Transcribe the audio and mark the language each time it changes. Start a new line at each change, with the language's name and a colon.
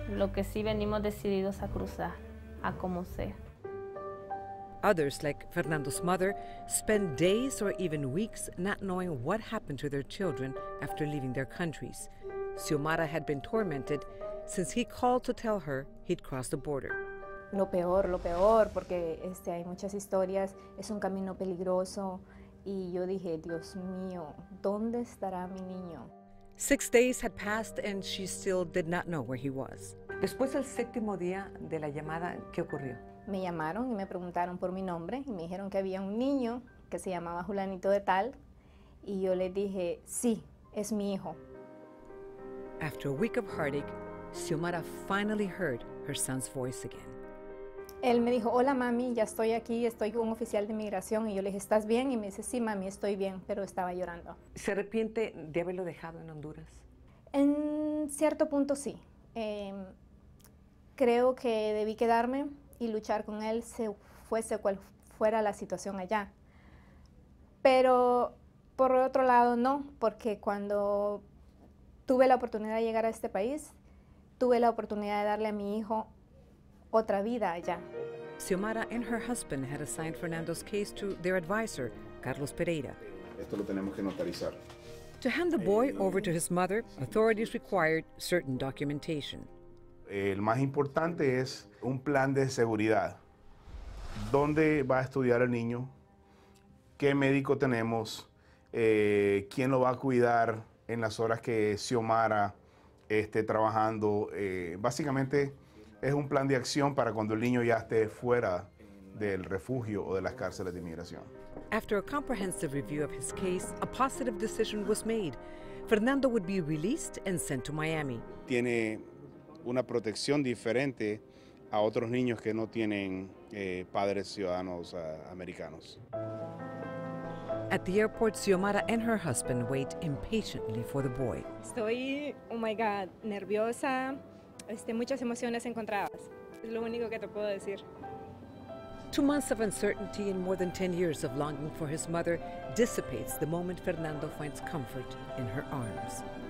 Spanish: Lo que sí venimos decididos a cruzar, a como sea.
English: Others, like Fernando's mother, spend days or even weeks not knowing what happened to their children after leaving their countries. Xiomara had been tormented since he called to tell her he'd crossed the border.
Spanish: Lo peor, porque hay muchas historias, es un camino peligroso. Y yo dije, Dios mío, ¿dónde estará mi niño?
English: 6 days had passed and she still did not know where he was.
Spanish: Después del séptimo día de la llamada, ¿qué ocurrió? Me llamaron y me preguntaron por mi nombre y me dijeron que había un niño que se llamaba Julanito de Tal. Y yo les dije, sí, es mi hijo.
English: After a week of heartache, Xiomara finally heard her son's voice again.
Spanish: Él me dijo, hola mami, ya estoy aquí, estoy con un oficial de inmigración. Y yo le dije, ¿estás bien? Y me dice, sí mami, estoy bien, pero estaba llorando. ¿Se arrepiente de haberlo dejado en Honduras? En cierto punto sí. Creo que debí quedarme y luchar con él, se fuese cual fuera la situación allá. Pero por otro lado no, porque cuando tuve la oportunidad de llegar a este país, tuve la oportunidad de darle a mi hijo otra vida allá.
English: Xiomara and her husband had assigned Fernando's case to their advisor, Carlos Pereira.
Spanish: Esto lo tenemos que notarizar.
English: To hand the boy over to his mother, authorities required certain documentation.
Spanish: El más importante es un plan de seguridad. ¿Dónde va a estudiar el niño? ¿Qué médico tenemos? ¿Quién lo va a cuidar en las horas que Xiomara esté trabajando? Básicamente es un plan de acción para cuando el niño ya esté fuera del refugio o de las cárceles de inmigración.
English: After a comprehensive review of his case, a positive decision was made. Fernando would be released and sent to Miami.
Spanish: Tiene una protección diferente a otros niños que no tienen padres ciudadanos americanos.
English: At the airport, Xiomara and her husband wait impatiently for the boy.
Spanish: Estoy,
English: oh my God,
Spanish: nerviosa. Muchas emociones encontradas. Es lo único que te puedo decir.
English: 2 months of uncertainty and more than 10 years of longing for his mother dissipates the moment Fernando finds comfort in her arms.